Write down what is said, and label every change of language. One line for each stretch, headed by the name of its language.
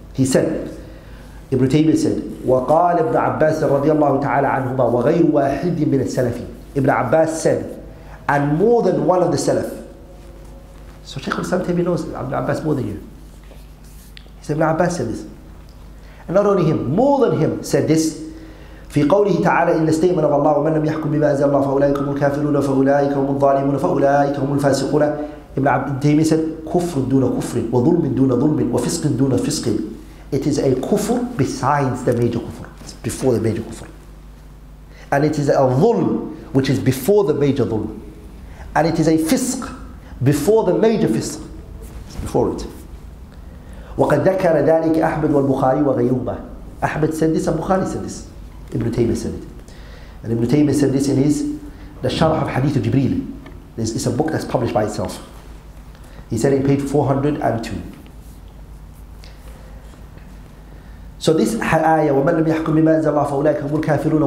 English: He said, Ibn Taymiyyah said,
Arabic: وَقَالَ ابْنَ عَبَّاسٍ رَضِيَ اللَّهُ تَعَالَى عَنْهُمَا وَغَيْرُ وَاحِدٍ مِنَ السَّلَفِ.
English: Ibn Abbas said, and more than one of the Salaf. So Shaykh al-Islam ibn Taymiyyah knows Ibn Abbas more than you. He said, Ibn Abbas said this. And not only him, more than him said this.
Arabic: في قوله تعالى إن استيمن of الله ومن لم يحكم بما أنزل الله فأولئك هم الكافرون فأولئك هم الظالمون فأولئك هم الفاسقون.
English: Ibn Taymiyyah said,
Arabic: كفر دون كفر وظلم دون ظلم وفسق دون فسق.
English: It is a kufr besides the major kufr. It's before the major kufr. And it is a ظلم which is before the major ظلم. And it is a فسق before the major فسق. Before it.
Arabic: وقد ذكر ذلك أحمد والبخاري وغيرهما.
English: أحمد said this and Bukhari said this. Ibn Taymiyyah said it. And Ibn Taymiyyah said this in his The Sharh of Hadith of Jibreel. It's a book that's published by itself. He said it in page 402. So this ayah,
Arabic: وَمَنْ لَمْ يَحْكُمْ بِمَا أَنْزَلَ اللَّهُ فَأُولَٰئِكَ هُمُ الْكَافِرُونَ.